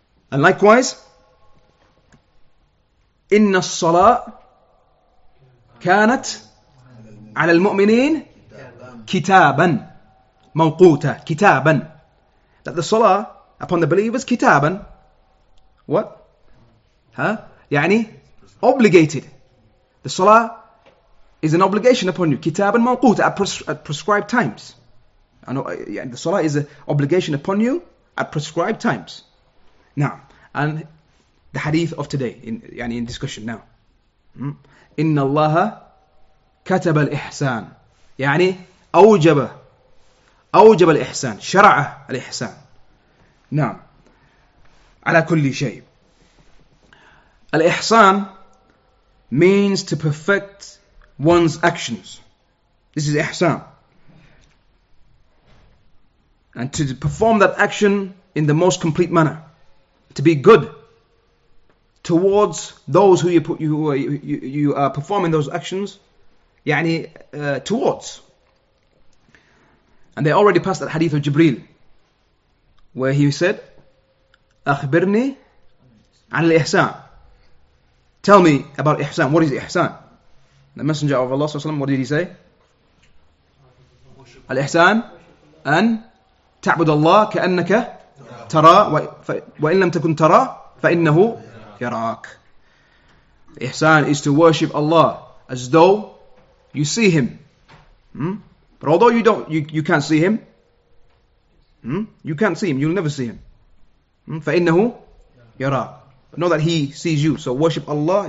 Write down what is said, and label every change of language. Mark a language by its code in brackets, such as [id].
[en] And likewise, [ar] inna as-salat كانت على المؤمنين كتابا موقوتا كتابا. [en] That the salah upon the believers [ar] كتابا. [en] What? Huh? [ar] يعني [en] obligated. The salah is an obligation upon you. [ar] كتابا موقوتا [en] at prescribed times. I know, yeah, the salah is an obligation upon you at prescribed times. Now, and the hadith of today in discussion now. [ar] إن الله كتب الإحسان يعني أوجب الإحسان شرع الإحسان نعم على كل شيء. [en] الإحسان means to perfect one's actions. This is إحسان. And to perform that action in the most complete manner, to be good towards those who you are performing those actions [ar] يعني [en] towards. And they already passed that hadith of Jibreel where he said [ar] أخبرني عن الإحسان. [en] Tell me about إحسان. What is إحسان? The messenger of Allah, what did he say? [ar] الإحسان أن تعبد الله كأنك ترى وإن لم تكن ترى فإنه يراك. [en] إحسان is to worship Allah as though you see him. But although you don't, you can't see him. You can't see him. You'll never see him. [ar] فَإِنَّهُ يَرَى. [en] Know that he sees you. So worship Allah.